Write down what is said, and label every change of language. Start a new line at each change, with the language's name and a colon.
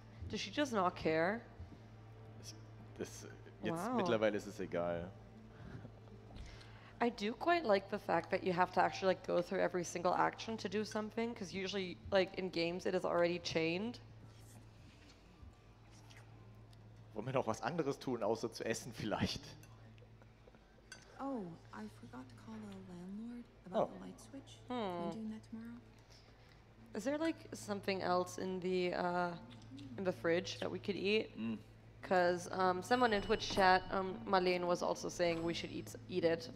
English: Does she just not care?
German: Das jetzt mittlerweile ist es egal.
English: I do quite like the fact that you have to actually like go through every single action to do something, because usually like in games it is already chained.
German: Wollen wir noch was anderes tun, außer zu essen vielleicht?
English: Oh, I forgot to call the landlord about the light switch. Are you doing that tomorrow? Is there like something else in the in the fridge that we could eat. Because someone in Twitch chat, Marlene, was also saying we should eat it.